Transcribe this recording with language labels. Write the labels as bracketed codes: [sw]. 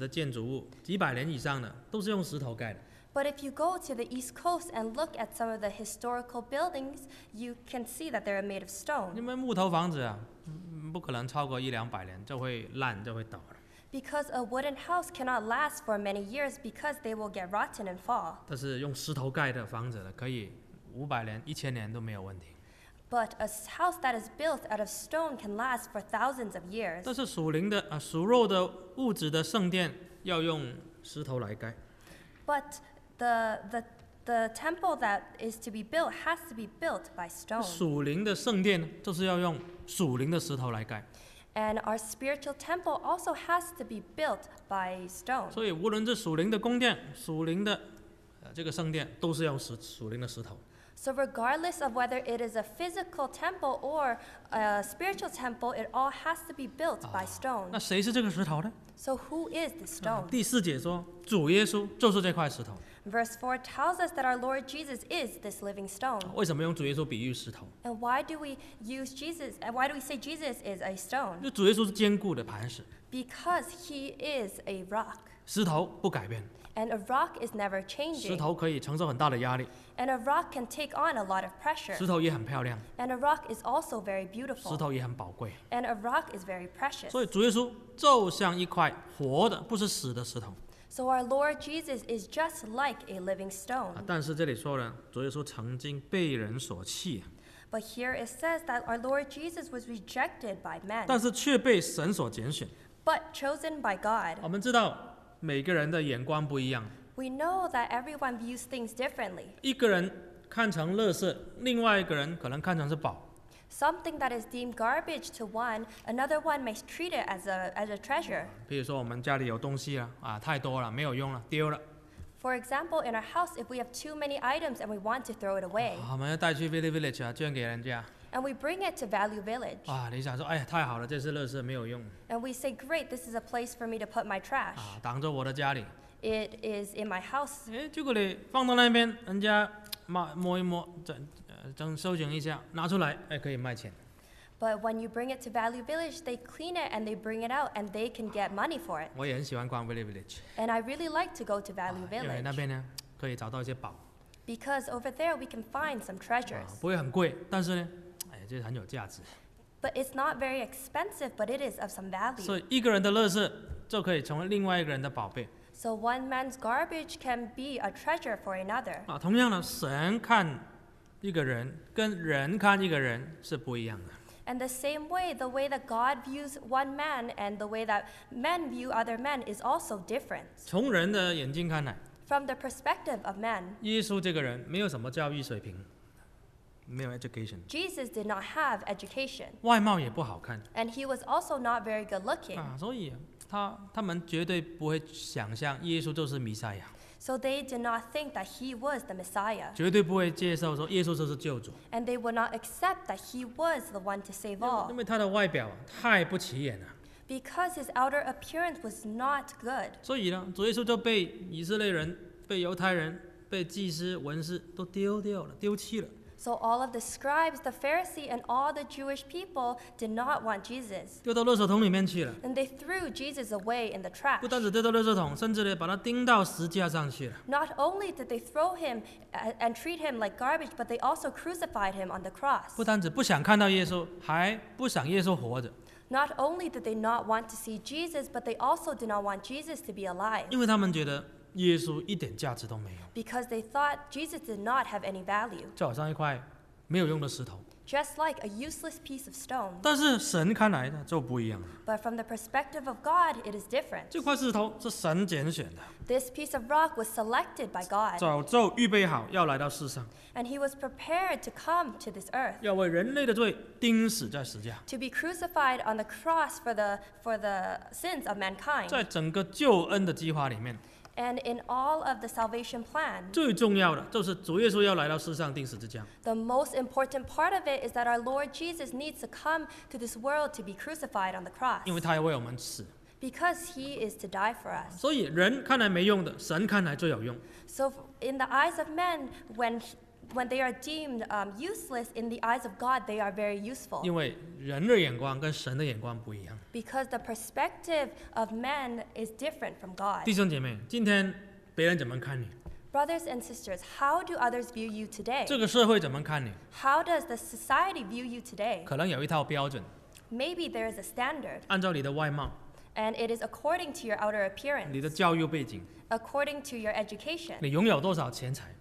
[zh] 如果你去看东部的一些比较历史的建筑物,几百年以上的,都是用石头盖的。 [en] But if you go to the East Coast and look at some of the historical buildings, you can see that they're made of stone. [zh] 因为木头房子啊, 不可能超过一两百年, 就会烂, 就会倒了。 [en] Because a wooden house cannot last for many years because they will get rotten and fall. [zh] 但是用石头盖的房子呢, 可以500年, 1000年都没有问题。 [en] But a house that is built out of stone can last for thousands of years. [zh] 但是属灵的, 属肉的物质的圣殿要用石头来盖。 [en] But the temple that is to be built has to be built by stone. [zh] 属灵的圣殿就是要用属灵的石头来盖。 [en] And our spiritual temple also has to be built by stone. [zh] 所以无论是属灵的宫殿，属灵的这个圣殿，都是要用属灵的石头。 [en] So regardless of whether it is a physical temple or a spiritual temple, it all has to be built by stone. [zh] 那谁是这个石头呢？ [en] So who is the stone? [zh] 第四节说，主耶稣就是这块石头。 [en] Verse 4 tells us that our Lord Jesus is this living stone. [zh] 为什么用主耶稣比喻石头？ [en] And why do we use Jesus? And why do we say Jesus is a stone? [zh] 主耶稣是坚固的磐石。 [en] Because he is a rock. [zh] 石头不改变。 [en] And a rock is never changing. [zh] 石头可以承受很大的压力。 [en] And a rock can take on a lot of pressure. [zh] 石头也很漂亮。 [en] And a rock is also very beautiful. [zh] 石头也很宝贵。 [en] And a rock is very precious. [zh] 所以主耶稣就像一块活的，不是死的石头。 [en] So our Lord Jesus is just like a living stone. [zh] 但是这里说了，主耶稣曾经被人所弃。 [en] But here it says that our Lord Jesus was rejected by men. [zh] 但是却被神所拣选。 [en] But chosen by God. [zh] 我们知道每个人的眼光不一样。 [en] We know that everyone views things differently. [zh] 一个人看成垃圾，另外一个人可能看成是宝。 [en] Something that is deemed garbage to one, another one may treat it as a treasure. [zh] 比如说我们家里有东西了，太多了，没有用了，丢了。 [en] For example, in our house, if we have too many items and we want to throw it away. [zh] 我们要带去 Value Village 捐给人家。 [en] And we bring it to Value Village. [zh] 你想说，太好了，这是垃圾，没有用。 [en] And we say, great, this is a place for me to put my trash. [zh] 挡着我的家里。 [en] It is in my house. [zh] 结果你放到那边，人家摸一摸，整收整一下，拿出来，可以卖钱。 [en] But when you bring it to Value Village, they clean it and they bring it out and they can get money for it. [zh] 我也很喜欢逛 Value Village. [en] And I really like to go to Value Village. [zh] 因为那边呢，可以找到一些宝。 [en] Because over there we can find some treasures. [zh] 不会很贵，但是呢，这很有价值。 [en] But it's not very expensive, but it is of some value. [zh] 所以一个人的垃圾就可以成为另外一个人的宝贝。 [en] So one man's garbage can be a treasure for another. [zh] 同样的，神看一个人跟人看一个人是不一样的。 [en] And the same way, the way that God views one man and the way that men view other men is also different. [zh] 从人的眼睛看来， [en] From the perspective of men, [zh] 耶稣这个人没有什么教育水平，没有 education. [en] Jesus did not have education. [zh] 外貌也不好看。 [en] And he was also not very good looking. [zh] 所以他们绝对不会想象耶稣就是弥赛亚。 [en] So they did not think that he was the Messiah. [zh] 绝对不会接受说耶稣就是救主。 [en] And they would not accept that he was the one to save all. [zh] 因为他的外表太不起眼了。 [en] Because his outer appearance was not good. [zh] 所以呢，主耶稣就被以色列人、被犹太人、被祭司、文士都丢掉了、丢弃了。 [en] So all of the scribes, the Pharisee, and all the Jewish people did not want Jesus. [zh] 丢到垃圾桶里面去了。 [en] And they threw Jesus away in the trash. [zh] 不单只丢到垃圾桶，甚至把他钉到十字架上去了。 [en] Not only did they throw him and treat him like garbage, but they also crucified him on the cross. [zh] 不单只不想看到耶稣，还不想耶稣活着。 [en] Not only did they not want to see Jesus, but they also did not want Jesus to be alive. [zh] 因为他们觉得耶稣一点价值都没有。 [en] Because they thought Jesus did not have any value. [zh] 就好像一块没有用的石头。 [en] Just like a useless piece of stone. [zh] 但是神看来就不一样了。 [en] But from the perspective of God, it is different. [zh] 这块石头是神拣选的。 [en] This piece of rock was selected by God. [zh] 早就预备好要来到世上。 [en] And he was prepared to come to this earth. [zh] 要为人类的罪钉死在十字架。 [en] To be crucified on the cross for the sins of mankind. [zh] 在整个救恩的计划里面。 [en] And in all of the salvation plan, [zh] 最重要的就是主耶稣要来到世上钉十字架。 [en] The most important part of it is that our Lord Jesus needs to come to this world to be crucified on the cross. [zh] 因为他要为我们死。 [en] Because he is to die for us. [zh] 所以人看来没用的，神看来最有用。 [en] So in the eyes of men, when they are deemed useless, in the eyes of God, they are very useful. [zh] 因为人的眼光跟神的眼光不一样。 [en] Because the perspective of man is different from God. [zh] 弟兄姐妹，今天别人怎么看你？ [en] Brothers and sisters, how do others view you today? [zh] 这个社会怎么看你？ [en] How does the society view you today? [zh] 可能有一套标准。 [en] Maybe there is a standard. [zh] 按照你的外貌。 [en] And it is according to your outer appearance. [zh] 你的教育背景。 [en] According to your education. [zh] 你拥有多少钱财？